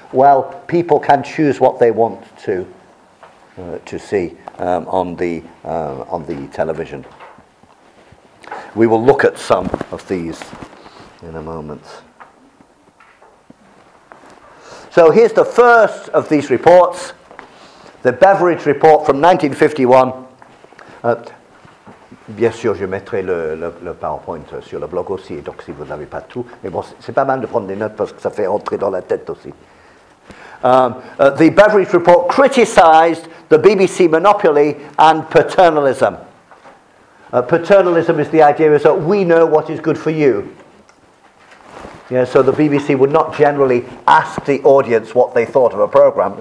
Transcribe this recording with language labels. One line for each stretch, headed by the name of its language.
English: Well, people can choose what they want to see on the television. We will look at some of these in a moment. So here's the first of these reports, the Beveridge Report from 1951.
French: Bien sûr, je mettrai le PowerPoint sur le blog aussi, donc si vous n'avez pas tout. Mais bon, c'est pas mal de prendre des notes parce que ça fait entrer dans la tête aussi.
English: The Beveridge Report criticized the BBC monopoly and paternalism. Paternalism is the idea is that we know what is good for you. Yeah, so the BBC would not generally ask the audience what they thought of a programme.